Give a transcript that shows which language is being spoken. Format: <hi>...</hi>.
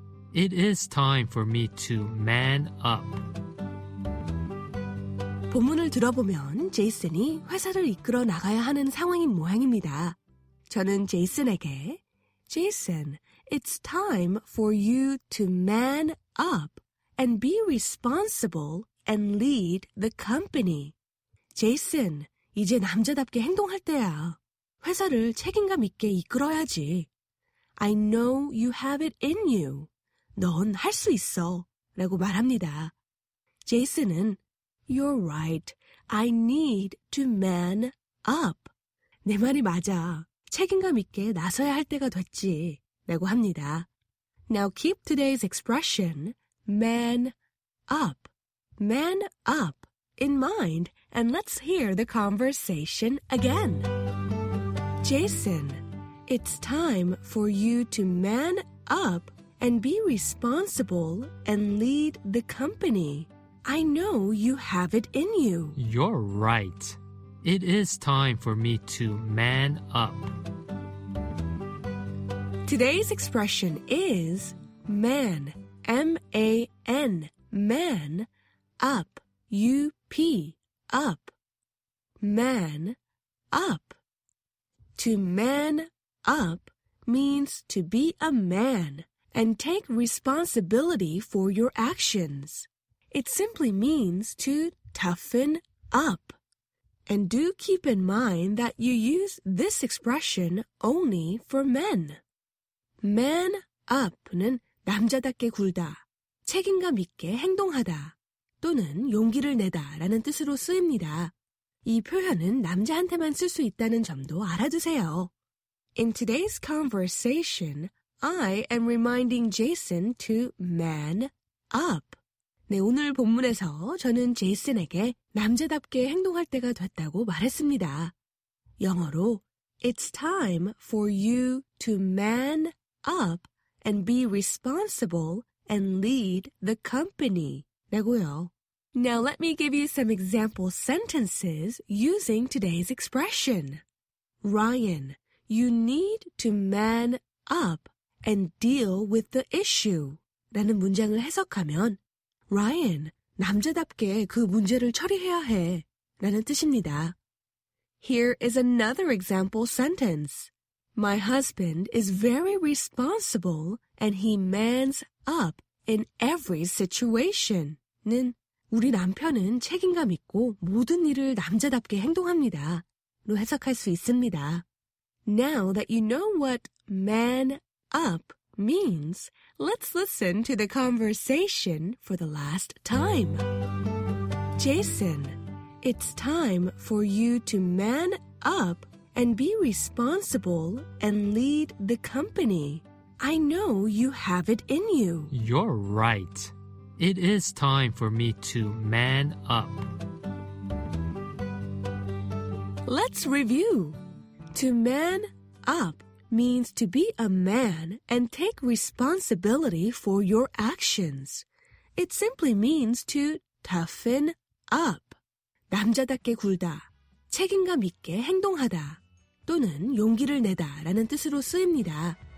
<en>before we find out what today's expression means, let's listen to today's conversation. Listen carefully, Jason. It's time for you to man up and be responsible and lead the company. I know you have it in you. You're right, it is time for me to man up.</en> <ko>본문을 들어보면 제이슨이 회사를 이끌어 나가야 하는 상황인 모양입니다. 저는 제이슨에게</ko> <en>Jason, it's time for you to man up and be responsible and lead the company.</en> <ko>제이슨, 이제 남자답게 행동할 때야. 회사를 책임감 있게 이끌어야지.</ko> <en>I know you have it in you.</en> <ko>넌 할 수 있어. 라고 말합니다. 제이슨은</ko> <en>You're right. I need to man up.</en> <ko>내 말이 맞아. 책임감 있게 나서야 할 때가 됐지. 라고 합니다.</ko> <en>Now keep today's expression, man up. Man up in mind and let's hear the conversation again. Jason, it's time for you to man up and be responsible and lead the company. I know you have it in you. You're right. It is time for me to man up. Today's expression is man, M-A-N, man, up, U-P, up. Man, up. To man up means to be a man and take responsibility for your actions. It simply means to toughen up. And do keep in mind that you use this expression only for men.</en> <ko>Man up는 남자답게 굴다, 책임감 있게 행동하다, 또는 용기를 내다라는 뜻으로 쓰입니다. 이 표현은 남자한테만 쓸 수 있다는 점도 알아두세요.</ko> <en>In today's conversation, I am reminding Jason to man up.</en> <ko>네, 오늘 본문에서 저는 제이슨에게 남자답게 행동할 때가 됐다고 말했습니다. 영어로</ko> <en>It's time for you to man up and be responsible and lead the company</en> <ko>라고요.</ko> <en>Now let me give you some example sentences using today's expression. Ryan, you need to man up and deal with the issue</en> <ko>라는 문장을 해석하면</ko> <en>Ryan,</en> <ko>남자답게 그 문제를 처리해야 해 라는 뜻입니다.</ko> <en>Here is another example sentence. My husband is very responsible and he mans up in every situation.</en> <ko>는 우리 남편은 책임감 있고 모든 일을 남자답게 행동합니다. 로 해석할 수 있습니다.</ko> <en>Now that you know what man up means, let's listen to the conversation for the last time. Jason, it's time for you to man up and be responsible and lead the company. I know you have it in you. You're right. It is time for me to man up. Let's review. To man up means to be a man and take responsibility for your actions. It simply means to toughen up.</en> <ko>남자답게 굴다, 책임감 있게 행동하다, 또는 용기를 내다 라는 뜻으로 쓰입니다.</ko>